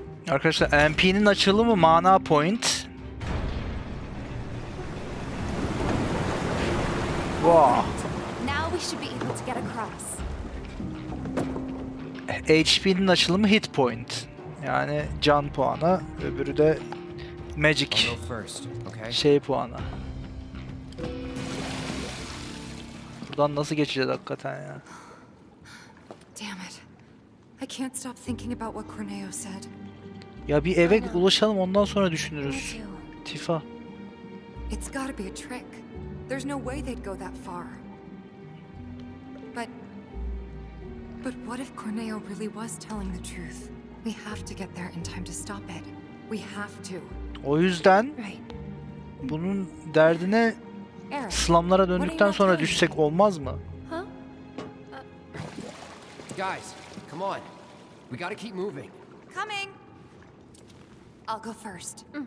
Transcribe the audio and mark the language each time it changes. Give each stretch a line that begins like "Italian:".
Turkish: Arkadaşlar, MP'nin açılımı mana point.
English: Wow. Now we should be able to get across.
Turkish: HP'nin açılımı hit point. Yani can puanı, öbürü de magic şey puanı. Buradan nasıl geçeceğiz hakikaten ya?
English: Damn it. I can't stop thinking about what Corneo said.
Turkish: Ya bir eve ulaşalım, ondan sonra düşünürüz.
English: Tifa. It's got to be a trick. There's no way they'd go that far. But what if Corneo really was telling the truth? We have to get there in time to stop it. We have to.
Turkish: O yüzden bunun derdine slamlara döndükten sonra düşsek olmaz mı?
English: Guys, come on. We got to keep moving. Coming. I'll go first.